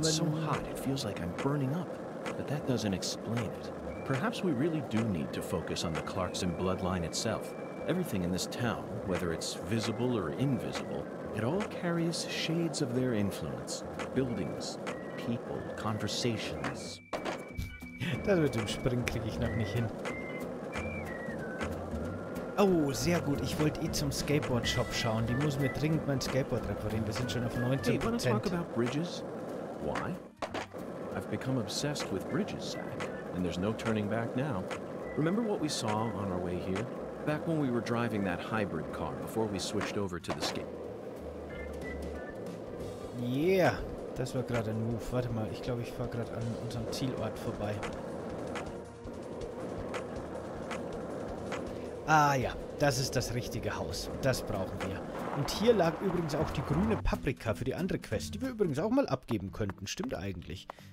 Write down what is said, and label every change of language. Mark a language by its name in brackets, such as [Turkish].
[English] It's so hot it feels like I'm burning up. But that doesn't explain it. Perhaps we really do need to focus on the Clarkson bloodline itself. Everything in this town, whether it's visible or invisible, it all carries shades of their influence. Buildings, people, conversations. [German] Das mit dem Springen kriege ich noch nicht hin. Oh, sehr gut. Ich wollte eh zum Skateboard-Shop schauen. Die muss mir dringend mein Skateboard reparieren. Wir sind schon auf 19%. [English] Hey, want to talk about bridges? Why? I've become obsessed with bridges, Zach. And there's no turning back now. Remember what we saw on our way here? Back when we were driving that hybrid car before we switched over to the skate. [German] Yeah. Das war gerade ein Move. Warte mal, ich glaube, ich fahre gerade an unserem Zielort vorbei. Ah ja, das ist das richtige Haus. Das brauchen wir. Und hier lag übrigens auch die grüne Paprika für die andere Quest, die wir übrigens auch mal abgeben könnten. Stimmt eigentlich.